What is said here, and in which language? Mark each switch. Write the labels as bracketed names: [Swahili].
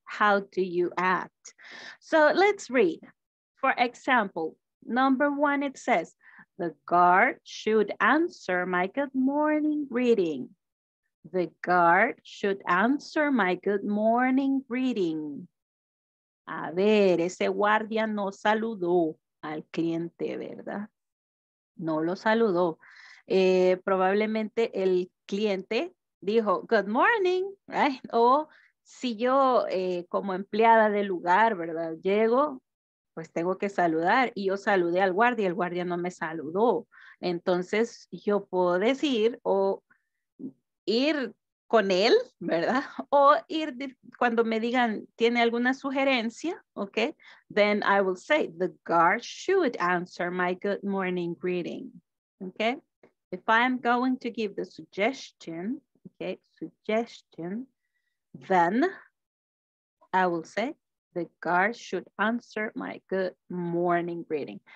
[English] How do you act? So let's read. For example, number one, it says, the guard should answer my good morning greeting. The guard should answer my good morning greeting. [Spanish] A ver, ese guardia no saludó al cliente, ¿verdad? No lo saludó. Probablemente el cliente dijo, [English] good morning, right? [Spanish] O si yo como empleada del lugar, ¿verdad? Llego, pues tengo que saludar. Y yo saludé al guardia, el guardia no me saludó. Entonces yo puedo decir o ir con él, ¿verdad? O ir cuando me digan, ¿tiene alguna sugerencia? [English] Ok. Then I will say, the guard should answer my good morning greeting. Ok. If I am going to give the suggestion, ok, suggestion, then I will say, the guard should answer my good morning greeting.